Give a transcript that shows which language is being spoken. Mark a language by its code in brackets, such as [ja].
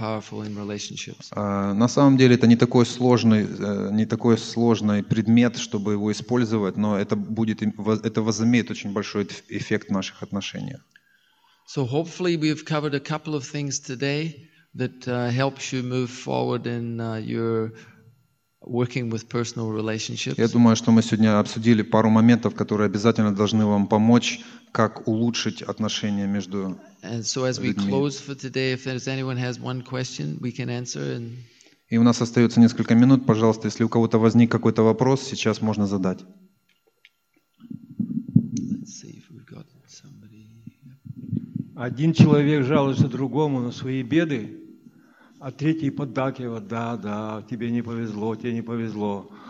[ru] На самом деле это не такой сложный предмет, чтобы его использовать, но это возымеет очень большой эффект в наших отношениях. [en] So hopefully we've covered a couple of things today that helps you move forward in your working with personal relationships. [ru] Я думаю, что мы сегодня обсудили пару моментов, которые обязательно должны вам помочь, как улучшить отношения между людьми. [en] And so as we close for today, if anyone has one question, we can answer. [ru] И у нас остается несколько минут. Пожалуйста, если у кого-то возник какой-то вопрос, сейчас можно задать. [en] Let's see if we've got somebody. [ru] Один человек жалуется другому на свои беды. А третий поддакивает, да, да, тебе не повезло, тебе не повезло.